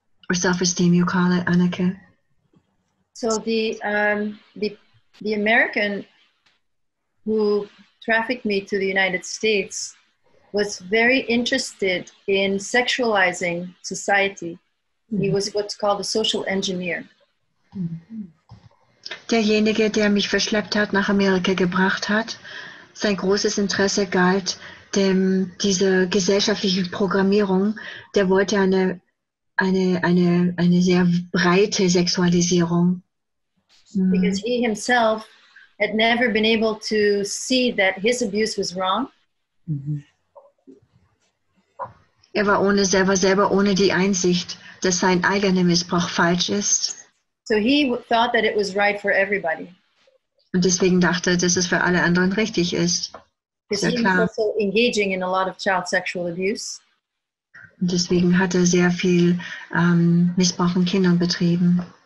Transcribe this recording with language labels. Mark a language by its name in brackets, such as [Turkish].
[English] Or self-esteem, you call it, Annika. So the American who trafficked me to the United States was very interested in sexualizing society. Mm-hmm. He was what's called a social engineer. [German] Derjenige, der mich verschleppt hat, nach Amerika gebracht hat, sein großes Interesse galt diese gesellschaftliche Programmierung. Der wollte eine sehr breite Sexualisierung. Mm. [English] Because he himself had never been able to see that his abuse was wrong. Mm-hmm. [German] Er war ohne die Einsicht, dass sein eigener Missbrauch falsch ist. [English] So he thought that it was right for everybody. [German] Und deswegen dachte, dass es für alle anderen richtig ist. Sehr klar. [English] Also engaging in a lot of child sexual abuse. [German] Und deswegen hat er sehr viel Missbrauch von Kindern betrieben.